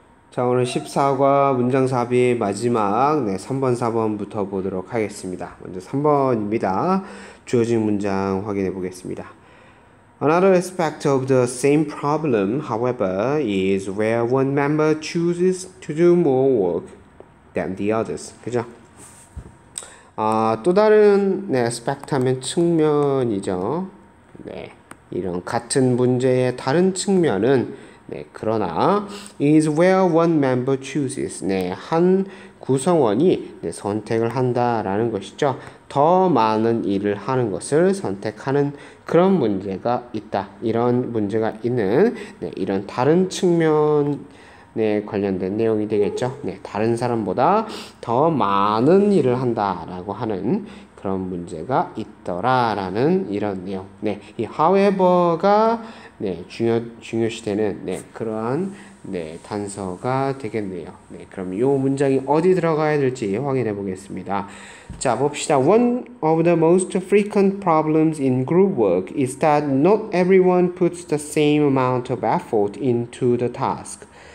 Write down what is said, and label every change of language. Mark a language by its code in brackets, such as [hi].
[ko] 자, 오늘 14과 문장사비 마지막 3번, 4번부터 보도록 하겠습니다. 먼저 3번입니다. 주어진 문장 확인해 보겠습니다. [en] Another aspect of the same problem, however, is where one member chooses to do more work than the others. [ko] 그죠? 또 다른 aspect 하면 측면이죠. 이런 같은 문제의 다른 측면은 그러나 [en] is where one member chooses. [ko] 한 구성원이 선택을 한다라는 것이죠. 더 많은 일을 하는 것을 선택하는 그런 문제가 있다. 이런 문제가 있는 이런 다른 측면에 관련된 내용이 되겠죠. 다른 사람보다 더 많은 일을 한다라고 하는 그런 문제가 있더라라는 이런 내용. 이 however가 중요시되는 그러한 단서가 되겠네요. 그럼 이 문장이 어디 들어가야 될지 확인해 보겠습니다. 자, 봅시다. [en] One of the most frequent problems in group work is that not everyone puts the same amount of effort into the task.